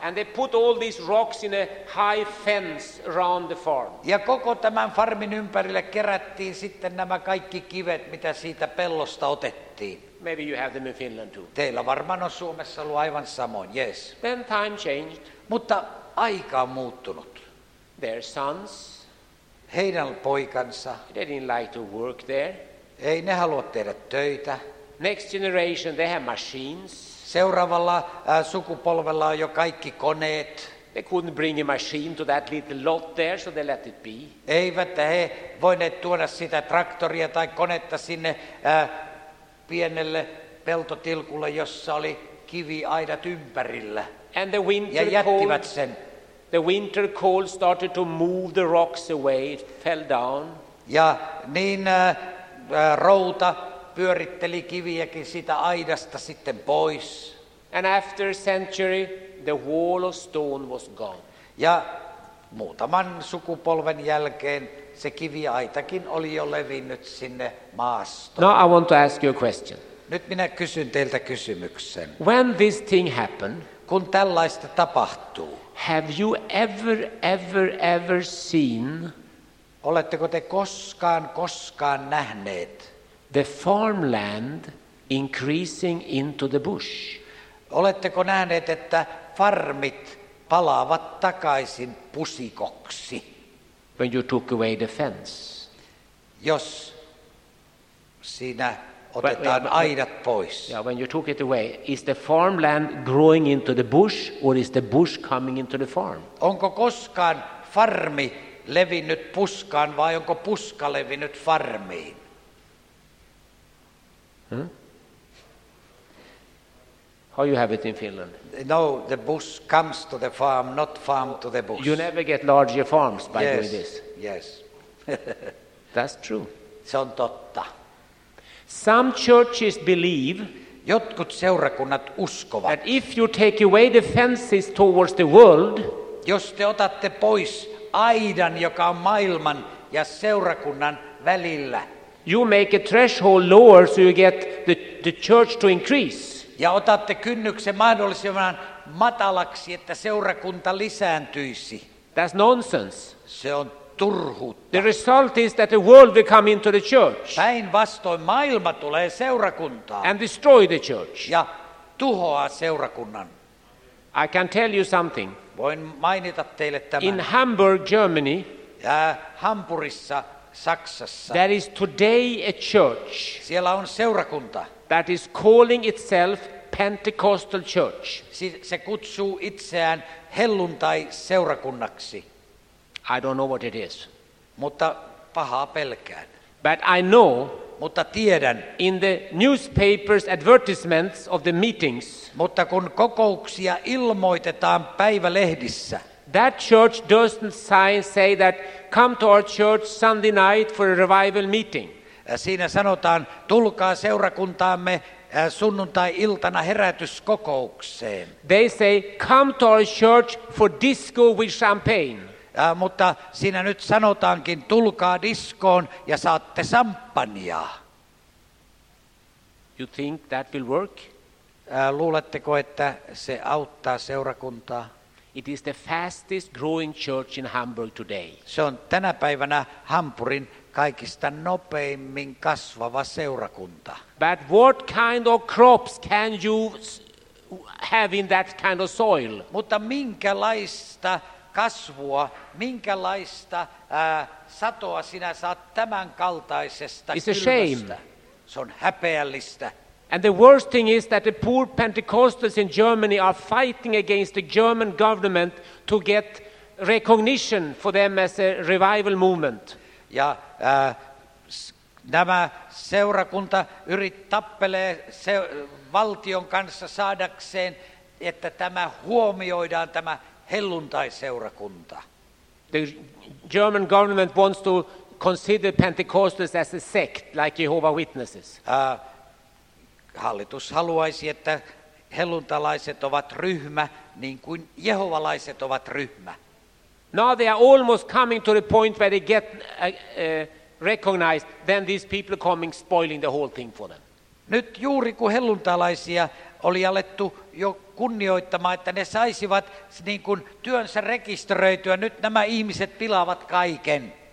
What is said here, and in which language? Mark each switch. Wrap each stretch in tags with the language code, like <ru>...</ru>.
<en>And they put all these rocks in a high fence around the farm.</en> <fi>Ja koko tämän farmin ympärille kerättiin sitten nämä kaikki kivet, mitä siitä pellosta otettiin.</fi> <en>Maybe you have them in Finland too.</en> <fi>Teillä varmaan on Suomessa ollut aivan samoin, yes.</fi> <en>Then time changed.</en> <fi>Mutta aika on muuttunut.</fi> <en>Their sons.</en> <fi>Heidän poikansa.</fi> <en>They didn't like to work there.</en> <fi>Ei ne halua tehdä töitä.</fi> <en>Next generation, they have machines.</en> <fi>Seuraavalla sukupolvella on jo kaikki koneet.</fi> <en>They couldn't bring a machine to that little lot there, so they let it be.</en> <fi>Eivät he voineet tuoda sitä traktoria tai konetta sinne pienelle peltotilkulle, jossa oli kiviaidat ympärillä.</fi> <en>And the winter</en> <fi>ja jättivät cold, sen.</fi> <en>The winter cold started to move the rocks away, it fell down.</en> <fi>Ja niin routa pyöritteli kiviäkin sitä aidasta sitten pois.</fi> <en>And after a century, the wall of stone was gone.</en> <fi>Ja muutaman sukupolven jälkeen se kiviaitakin oli jo levinnyt sinne maastoon.</fi> <en>Now I want to ask you a question.</en> <fi>Nyt minä kysyn teiltä kysymyksen.</fi> <en>When this thing happened,</en> <fi>kun tällaista tapahtuu,</fi> <en>have you ever seen,</en> <fi>oletteko te koskaan nähneet,</fi> <en>the farmland increasing into the bush.</en> <fi>Oletteko nähneet, että farmit palaavat takaisin pusikoksi?</fi> <en>When you took away the fence.</en> <fi>Jos siinä otetaan aidat pois.</fi> <en>Yeah, when you took it away, is the farmland growing into the bush or is the bush coming into the farm?</en> <fi>Onko koskaan farmi levinnyt puskaan vai onko puska levinnyt farmiin?</fi> <en>How you have it in Finland? No, the bush comes to the farm, not farm to the bush. You never get larger farms by doing this. Yes. That's true.</en> <fi>Se on totta.</fi> <en>Some churches believe,</en> <fi>jotkut seurakunnat uskovat,</fi> <en>that if you take away the fences towards the world,</en> <fi>jos te otatte pois aidan, joka on maailman ja seurakunnan välillä,</fi> <en>you make a threshold lower so you get the church to increase.</en> <fi>Ja otatte kynnyksen mahdollisimman matalaksi, että seurakunta lisääntyisi.</fi> <en>That's nonsense.</en> <fi>Se on turhuutta.</fi> <en>The result is that the world will come into the church.</en> <fi>Päinvastoin maailma tulee seurakuntaan.</fi> <en>And destroy the church.</en> <fi>Ja tuhoaa seurakunnan.</fi> <en>I can tell you something.</en> <fi>Voin mainita teille tämän.</fi> <en>In Hamburg, Germany.</en> <fi>Ja Hampurissa, Saksassa.</fi> <en>There is today a church.</en> <fi>Siellä on seurakunta.</fi> <en>That is calling itself Pentecostal Church.</en> <fi>Se kutsuu itseään helluntai-seurakunnaksi.</fi> <en>I don't know what it is.</en> <fi>Mutta pahaa pelkään.</fi> <en>But I know.</en> <fi>Mutta tiedän.</fi> <en>In the newspapers advertisements of the meetings.</en> <fi>Mutta kun kokouksia ilmoitetaan päivälehdissä.</fi> <en>That church doesn't sign say that come to our church Sunday night for a revival meeting.</en> <fi>Siinä sanotaan, tulkaa seurakuntaamme sunnuntai-iltana herätyskokoukseen.</fi> <en>They say, come to our church for disco with champagne.</en> <fi>Mutta siinä nyt sanotaankin, tulkaa diskoon ja saatte samppaniaa.</fi> <en>You think that will work?</en> <fi>Luuletteko, että se auttaa seurakuntaa?</fi> <en>It is the fastest growing church in Hamburg today.</en> <fi>Se on tänä päivänä Hampurin kaikista nopeimmin kasvava seurakunta.</fi> <en>But what kind of crops can you have in that kind of soil?</en> <fi>Mutta minkälaista kasvua, minkälaista satoa sinä saat tämän kaltaisesta kylmästä?</fi> <en>It's a shame.</en> <fi>Se on häpeällistä.</fi> <en>And the worst thing is that the poor Pentecostals in Germany are fighting against the German government to get recognition for them as a revival movement.</en> <fi>Ja nämä seurakunta tappelee valtion kanssa saadakseen, että tämä huomioidaan, tämä helluntaiseurakunta.</fi> <en>The German government wants to consider Pentecostals as a sect, like Jehovah's Witnesses.</en> <fi>Hallitus haluaisi, että helluntalaiset ovat ryhmä, niin kuin jehovalaiset ovat ryhmä.</fi> <en>Now they are almost coming to the point where they get recognized, then these people coming spoiling the whole thing for them.</en> <fi>Nyt juuri kun helluntalaisia oli alettu jo kunnioittamaan, että ne saisivat niin kuin työnsä rekisteröityä, nyt nämä ihmiset pilaavat kaiken.</fi>